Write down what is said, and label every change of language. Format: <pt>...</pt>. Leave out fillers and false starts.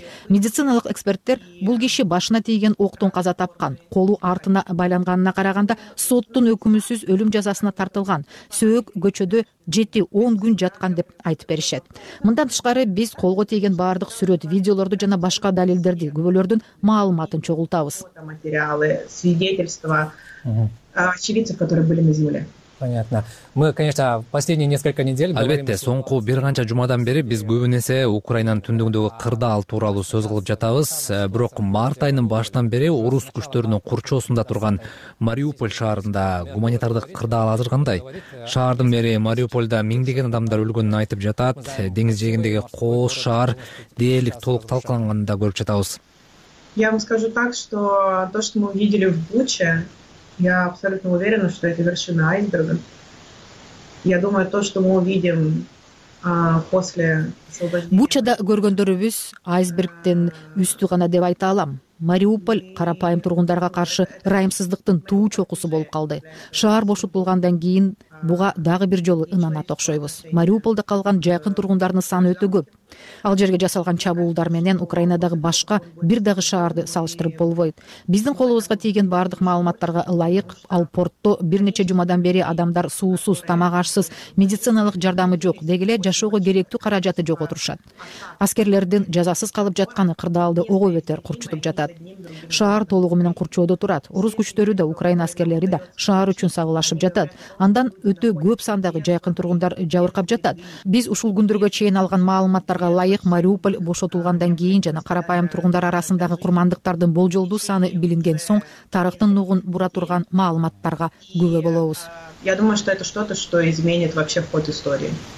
<ky>Медициналык эксперттер бул киши башына тийген октон каза тапкан, колу артына байланганына караганда соттун өкүмүсүз өлүм жазасына тартылган, сөөк көчөдө 7-10 күн жаткан деп айтып беришет. Мындан тышкары биз колго тийген баардык сүрөт, видеолорду жана башка далилдерди, күбөлөрдүн маалыматын чогултабыз.</ky> <ru>Материалы, свидетельства очевидцев, которые были на земле. Понятно. Мы, конечно, последние несколько недель.</ru> <ky>Албетте, соңку бир канча жумадан бери биз көбүн эсе Украинанын түндүгүндөгү кырдаал тууралуу сөз кылып жатабыз. Бирок март айынын башынан бери орус күчтөрүнүн курчоосунда турган Мариуполь шаарында гуманитардык кырдаал азыр кандай? Шаардын мэри Мариуполда миңдеген адамдар өлгөнүн айтып жатат. Деңиз жээгиндеги кооз шаар дээрлик толук талкаланганын да көрүп жатабыз.</ky> <ru>Я вам скажу так, что то, что мы увидели в Буче. Я абсолютно уверена, что это вершина айсберга. Я думаю, то, что мы увидим после освобождения.</ru> <ky>Бучада көргөндөрүбүз айсбергтен үстү гана деп айта алам. Мариуполь карапайым тургундарга каршы ырайымсыздыктын туу чокусу болуп калды. Шаар бошотулгандан кийин буга дагы бир жолу ынанат окшойбуз. Мариуполда калган жакын тургундардын саны өтө көп. Ал жерге жасалган чабуулдар менен Украинадагы башка бир дагы шаарды салыштырып болбойт. Биздин колубузга тийген бардык маалыматтарга ылайык, ал портто бир нече жумадан бери адамдар суусуз, тамак ашсыз, медициналык жардамы жок, дегиле жашоого керектүү каражаты жок отурушат. Аскерлердин жазасыз калып жатканы кырдаалды огой бетер курчутуп жатат. Шаар толугу менен курчоодо турат. Орус күчтөрү да, Украина аскерлери да шаар үчүн сагылашып жатат. Андан өтө көп сандагы жайкын тургундар жабыркап жатат. Биз ушул күндөргө чейин алган маалыматтарга ылайык, Мариуполь бошотулгандан кийин жана карапайым тургундар арасындагы курмандыктардын болжолдуу саны билинген соң тарыхтын нугун бура турган маалыматтарга күбө болобуз.</ky> <ru>Я думаю, что это что-то, что изменит вообще ход истории.</ru>